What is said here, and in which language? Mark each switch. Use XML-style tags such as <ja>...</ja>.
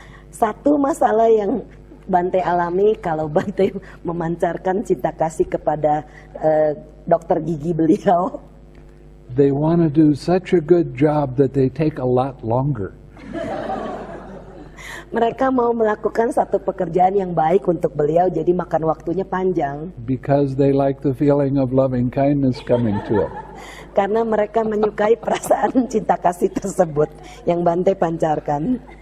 <id>Satu masalah yang Bante alami kalau Bante memancarkan cinta kasih kepada dokter gigi beliau.</id> <en>They want to do such a good job that they take a lot longer.</en> <id>Mereka mau melakukan satu pekerjaan yang baik untuk beliau, jadi makan waktunya panjang.</id> <en>Because they like the feeling of loving kindness coming to it.</en> <id>Karena mereka menyukai perasaan cinta kasih tersebut yang Bante pancarkan.</id>